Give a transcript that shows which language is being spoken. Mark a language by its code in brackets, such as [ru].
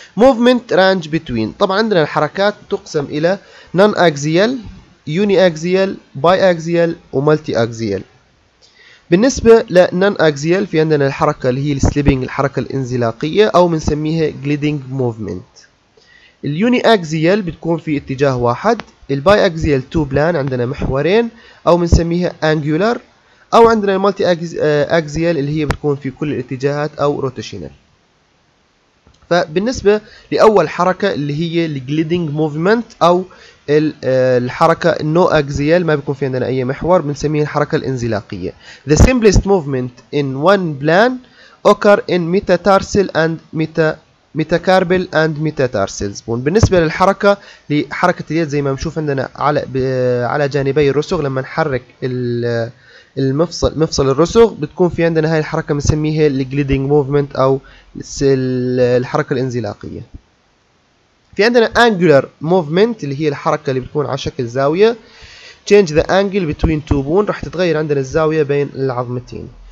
[en] movement range between، [ar] طبعا عندنا الحركات تقسم الى [en] non-axial, uni-axial, bi-axial و multi-axial. [ar] بالنسبة للنان أكسيال في عندنا الحركة اللي هي السليبينج، الحركة الانزلاقية أو بنسميها جليدينج موفمنت. اليوني أكسيال بتكون في اتجاه واحد، الباي أكسيال تو بلان عندنا محورين أو بنسميها أنجولار، أو عندنا المالتي أكسيال اللي هي بتكون في كل الاتجاهات أو روتيشنال. فبالنسبة لأول حركة اللي هي الجليدينج موفمنت أو الحركة النو أكسيال ما بيكون في عندنا أي محور، بنسميها الحركة الانزلاقية. [en] The simplest movement in one plan occur in metatarsal and metacarpal and metatarsals. [ar] بالنسبة للحركة لحركة اليد زي ما بنشوف عندنا على جانبي الرسغ، لما نحرك المفصل مفصل الرسغ بتكون في عندنا هاي الحركة بنسميها الجليدينج موفمنت أو الحركة الانزلاقية. في عندنا angular movement اللي هي الحركة اللي بتكون على شكل زاوية، [en] change the angle between two bone، [ar] راح تتغير عندنا الزاوية بين العظمتين.